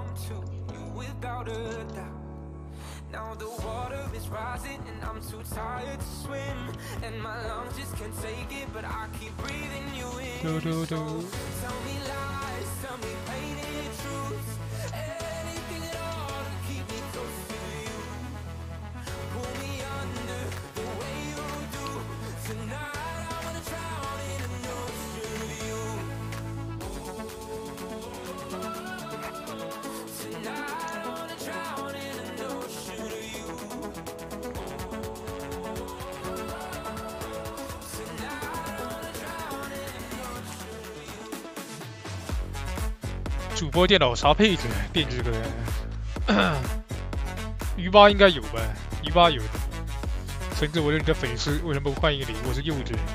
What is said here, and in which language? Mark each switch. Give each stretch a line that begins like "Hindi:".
Chinese: 这哪儿啊？哦，这是个钢枪点。帅呀，兄弟们，帅！就你累，你加油。哦，好嘞，酷酷。
English: Now the water is rising and I'm too tired to swim and my lungs just can't take it but I keep breathing you in do, do, do. So tell me lies, tell me painted truths anything at all to keep me close to you pull me under the way you do tonight I wanna drown in an ocean of you Ooh.
Chinese: tonight主播电脑啥配置？电机哥，鱼吧应该有吧？鱼吧有。橙子，我是你的粉丝，为什么不欢迎你？我是柚子。